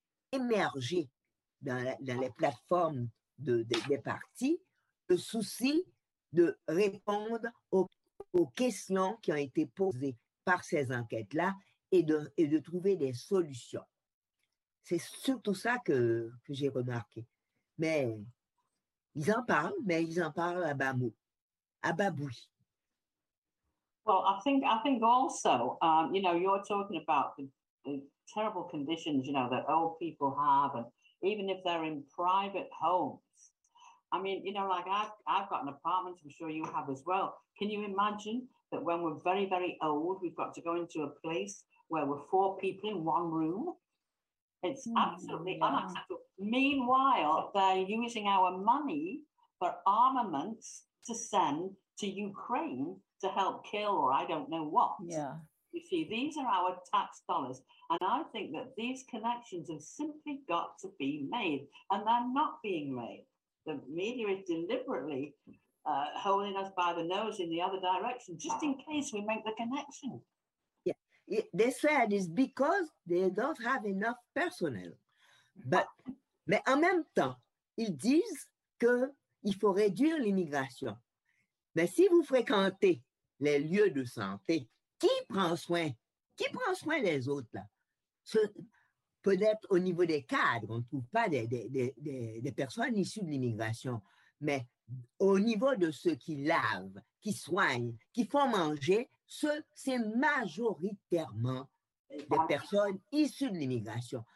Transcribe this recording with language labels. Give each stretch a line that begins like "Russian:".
French: émerger dans les plateformes des partis le souci de répondre aux questions qui ont été posées par ces enquêtes-là et de trouver des solutions. C'est surtout ça que j'ai remarqué. Mais ils en parlent, mais ils en parlent à bas mots, à bas bruit.
English: Well, I think also, you know, you're talking about the terrible conditions, you know, that old people have, and even if they're in private homes. I mean, you know, like I've got an apartment, I'm sure you have as well. Can you imagine that when we're very, very old, we've got to go into a place where we're 4 people in 1 room? It's absolutely unacceptable. Meanwhile, they're using our money for armaments to send to Ukraine to help kill or I don't know what. Yeah. You see, these are our tax dollars. And I think that these connections have simply got to be made, and they're not being made. The media is deliberately holding us by the nose in the other direction, just in case we make the connection. Yeah, they said it's because they don't have enough personnel.
French: But mais en même temps, ils disent qu'il faut réduire l'immigration. Mais si vous fréquentez les lieux de santé, qui prend soin? Qui prend soin des autres, là? Peut-être au niveau des cadres, on ne trouve pas des personnes issues de l'immigration, mais au niveau de ceux qui lavent, qui soignent, qui font manger, c'est majoritairement des personnes issues de l'immigration.